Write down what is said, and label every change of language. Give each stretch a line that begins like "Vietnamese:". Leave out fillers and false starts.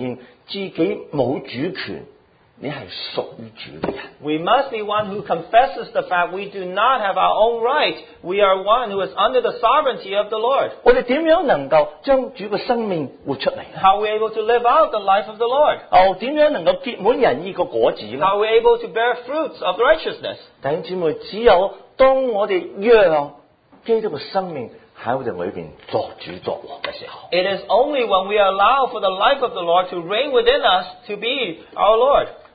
Chinese: 你是一个真正承认自己没有主权, 你是属于主的人,
English: we must be one who confesses the fact we do not have our own right. We are one who is under the sovereignty of the Lord.
Chinese: 我们怎么样能够将主的生命活出来?
English: How are we able to live out the life of the Lord?
Chinese: 怎么样能够结满人意的果子?
English: How are we able to bear fruits of righteousness?
Chinese: 弟兄姊妹, 只有当我们让基督的生命 在我们里面作主作王的时候,
English: it is only when we allow for the life of the Lord to reign within us to be our Lord.